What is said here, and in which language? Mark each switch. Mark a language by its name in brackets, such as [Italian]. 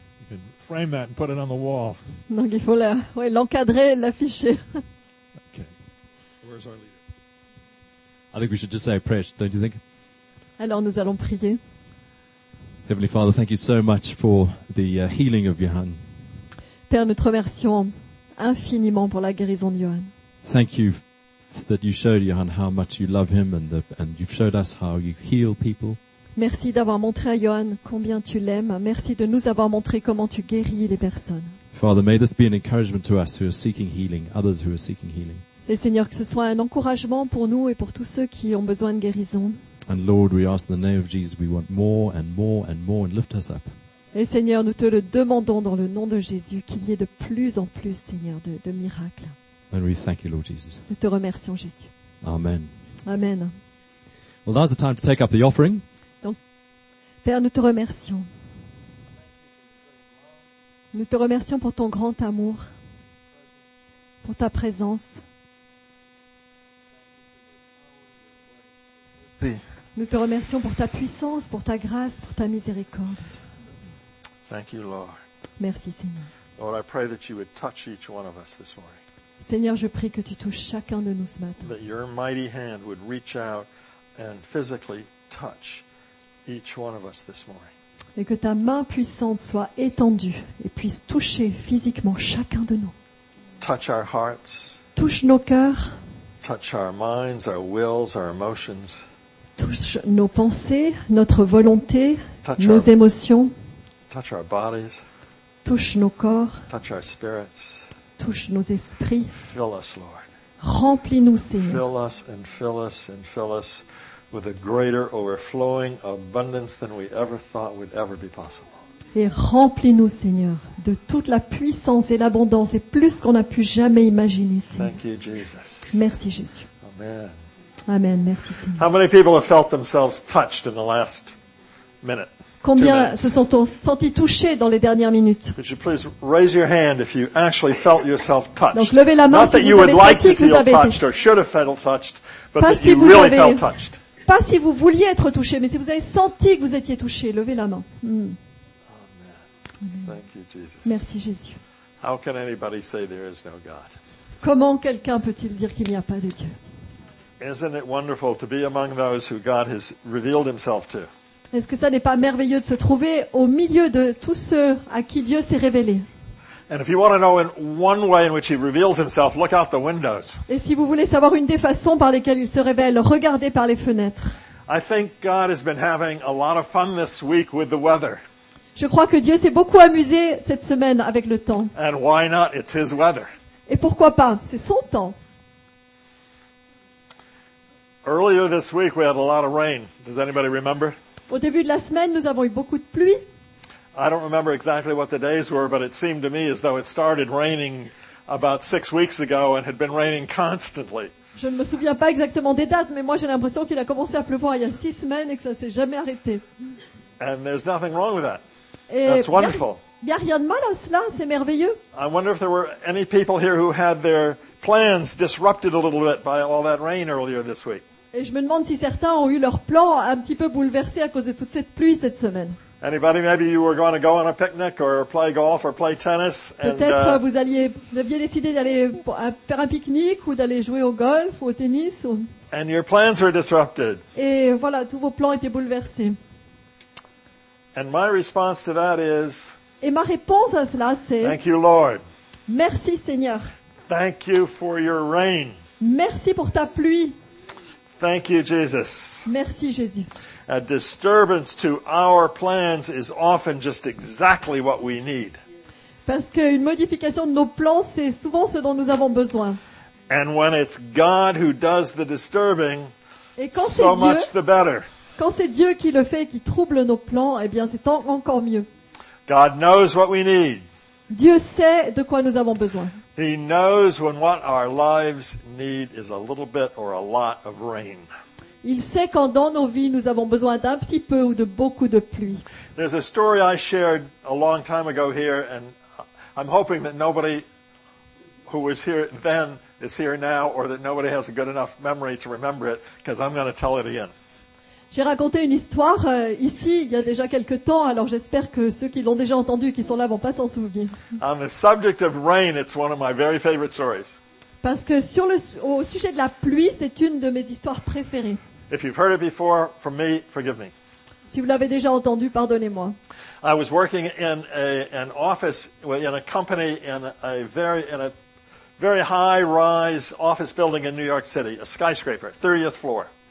[English] You can frame that and put it on the wall. [French] Donc, il faut l'encadrer, l'afficher. [English] Okay. Where's our leader? I think we should just say a prayer, don't you think? [French] Alors nous allons prier. [English] Heavenly Father, thank you so much for the healing of Johan. [French] Père, nous te remercions infiniment pour la guérison de Johan. [English] Thank you that you showed Johan how much you love him and you've showed us how you heal people. [French] Merci d'avoir montré à Johan combien tu l'aimes. Merci de nous avoir montré comment tu guéris les personnes. [English] Father, may this be an encouragement to us who are seeking healing, others who are seeking healing. [French] Et Seigneur, que ce soit un encouragement pour nous et pour tous ceux qui ont besoin de guérison. [English] And Lord, we ask in the name of Jesus, we want more and more and more and lift us up. [French] Et Seigneur, nous te le demandons dans le nom de Jésus, qu'il y ait de plus en plus, Seigneur, de miracles. [English] And we thank you, Lord Jesus. [French] Nous te remercions, Jésus. [English] Amen. [French] Amen. [English] Well, now's the time to take up the offering. [French] Donc, Père, nous te remercions. Nous te remercions pour ton grand amour, pour ta présence. Nous te remercions pour ta puissance, pour ta grâce, pour ta miséricorde. [English] Thank you, Lord. [French] Merci, Seigneur. [English] Lord, I pray that you would touch each one of us this morning. [French] Seigneur, je prie que tu touches chacun de nous ce matin. [English] That your mighty hand would reach out and physically touch each one of us this morning. [French] Et que ta main puissante soit étendue et puisse toucher physiquement chacun de nous. [English] Touch our hearts. [French] Touche nos cœurs. [English] Touch our minds, our wills, our emotions. [French] Touche nos pensées, notre volonté, nos émotions. [English] Touch our bodies. [French] Touche nos corps. [English] Touch our spirits. [French] Touche nos esprits. [English] Fill us, Lord. [French] Remplis-nous, Seigneur. [English] Fill us and fill us and fill us with a greater overflowing abundance than we ever thought would ever be possible. [French] Et remplis-nous, Seigneur, de toute la puissance et l'abondance et plus qu'on a pu jamais imaginer, Seigneur. [English] Thank you, Jesus. [French] Merci, Jésus. [English] Amen. [French] Amen. Merci, Seigneur. [English] How many people have felt themselves touched in the last minute? [French] Combien se sont sentis touchés dans les dernières minutes? [English] Could you please raise your hand if you actually felt yourself touched? [French] Donc levez la main [English] Not [French] si vous avez [English] like [French] senti que vous avez [English] touched [French] été [English] or should have felt touched, but [French] pas [English] that [French] si [English] you [French] vous [English] really [French] avez... [English] felt touched. [French] Pas si vous vouliez être touché, mais si vous avez senti que vous étiez touché, levez la main. [English] Amen. Thank you, Jesus. [French] Merci Jésus. [English] How can anybody say there is no God? [French] Comment quelqu'un peut-il dire qu'il n'y a pas de Dieu? [English] Isn't it wonderful to be among those who God has revealed himself to? [French] Est-ce que ça n'est pas merveilleux de se trouver au milieu de tous ceux à qui Dieu s'est révélé? [English] And if you want to know in one way in which he reveals himself, look out the windows. [French] Et si vous voulez savoir une des façons par lesquelles il se révèle, regardez par les fenêtres. [English] I think God has been having a lot of fun this week with the weather. [French] Je crois que Dieu s'est beaucoup amusé cette semaine avec le temps. [English] And why not? It's his weather. [French] Et pourquoi pas? C'est son temps. [English] Earlier this week we had a lot of rain. Does anybody remember? [French] Au début de la semaine, nous avons eu beaucoup de pluie. [English] I don't remember exactly what the days were, but it seemed to me as though it started raining about 6 weeks ago and had been raining constantly. [French] Je ne me souviens pas exactement des dates, mais moi j'ai l'impression qu'il a commencé à pleuvoir il y a 6 semaines et que ça s'est jamais arrêté. [English] And there's nothing wrong with that. [French] Et [English] that's wonderful. [French] Il y a rien de mal à cela, c'est merveilleux. [English] I wonder if there were any people here who had their plans disrupted a little bit by all that rain earlier this week. [French] Et je me demande si certains ont eu leurs plans un petit peu bouleversés à cause de toute cette pluie cette semaine. [English] Anybody, maybe you were going to go on a picnic or play golf or play tennis. [French] Peut-être vous alliez, vous aviez décidé d'aller faire un pique-nique ou d'aller jouer au golf ou au tennis. Ou... [English] And your plans were disrupted. [French] Et voilà, tous vos plans étaient bouleversés. [English] And my response to that is. [French] Et ma réponse à cela, c'est. [English] Thank you, Lord. [French] Merci, Seigneur. [English] Thank you for your rain. [French] Merci pour ta pluie. [English] Thank you, Jesus. [French] Merci, Jésus. [English] A disturbance to our plans is often just exactly what we need. [French] Parce qu'une modification de nos plans, c'est souvent ce dont nous avons besoin. [English] And when it's God who does the disturbing, so much the better. [French] Quand c'est Dieu qui le fait et qui trouble nos plans, eh bien c'est encore mieux. [English] God knows what we need. [French] Dieu sait de quoi nous avons besoin. [English] He knows when what our lives need is a little bit or a lot of rain. [French] Il sait quand dans nos vies nous avons besoin d'un petit peu ou de beaucoup de pluie. [English] There's a story I shared a long time ago here, and I'm hoping that nobody who was here then is here now, or that nobody has a good enough memory to remember it, because I'm going to tell it again. [French] J'ai raconté une histoire ici il y a déjà quelque temps, alors j'espère que ceux qui l'ont déjà entendue, qui sont là, vont pas s'en souvenir. [English] On the subject of rain, it's one of my very favorite stories. [French] Parce que sur le, au sujet de la pluie, c'est une de mes histoires préférées. [English] If you've heard it before, from me, forgive me. [French] Si vous l'avez déjà entendu, pardonnez-moi. [English] I was working in an office in a company in a very high-rise office building in New York City, a skyscraper, 30th floor.